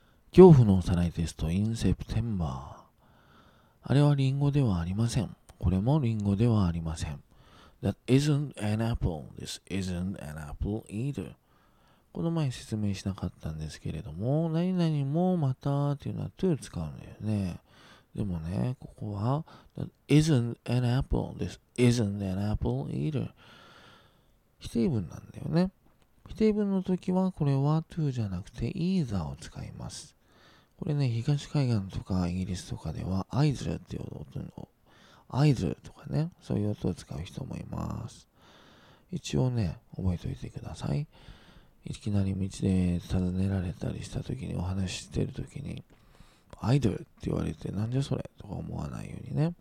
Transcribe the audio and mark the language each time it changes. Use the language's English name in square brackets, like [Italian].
[Japanese] 恐怖のおさらいテスト [English] in September。 [Japanese] あれはリンゴではありません。これもリンゴではありません。 [English] That isn't an apple. This isn't an apple either. [Japanese] この前説明しなかったんですけれども、何々もまたというのは to 使うんだよね。でもね、ここは [English] That isn't an apple. This isn't an apple either. [Japanese] 否定文なんだよね。否定文の時はこれは to じゃなくて either を使います。これね、東海岸とかイギリスとかでは either っていう音の、either とかね、そういう音を使う人もいます。一応ね、覚えておいてください。いきなり道で尋ねられたりした時に、お話してる時に either って言われて、なんじゃそれとか思わないようにね。